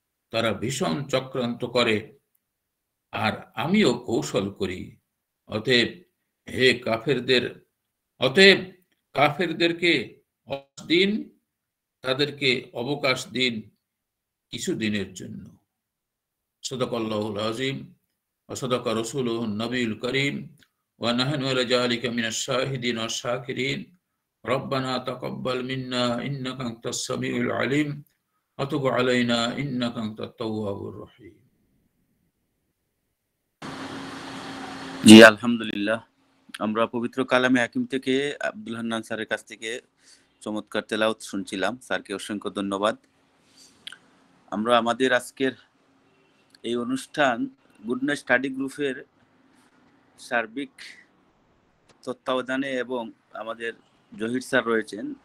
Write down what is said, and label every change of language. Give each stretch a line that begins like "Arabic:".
Bangla: তারা ভীষণ চক্রান্ত করে আর আমিও কৌশল করি, অতএব হে কাফেরদের, অতএব কাফেরদেরকে অস দিন, তাদেরকে অবকাশ দিন কিছুদিনের জন্য।
Arabic: সদাকাল্লাহুল আজিম ও সদাক রাসূলুহ নবীউল করিম ওয়া নাহনু আলা যালিকা মিনাশ শাহিদিন ওয়াস শাকিরিন। ربنا تقبل منا انك انت السميع العليم وتب علينا انك انت التواب الرحيم।
Bangla: জি আলহামদুলিল্লাহ, আমরা পবিত্র কালামে হাকিম থেকে আব্দুল হান্নান স্যারের কাছ থেকে চমৎকার তেলাওয়াত শুনছিলাম। স্যারকে অসংখ্য ধন্যবাদ। আমরা আমাদের আজকের এই অনুষ্ঠান গুড নাইট স্টাডি গ্রুপের সার্বিক তত্ত্বাবধানে এবং আমাদের জহির স্যার রয়েছেন,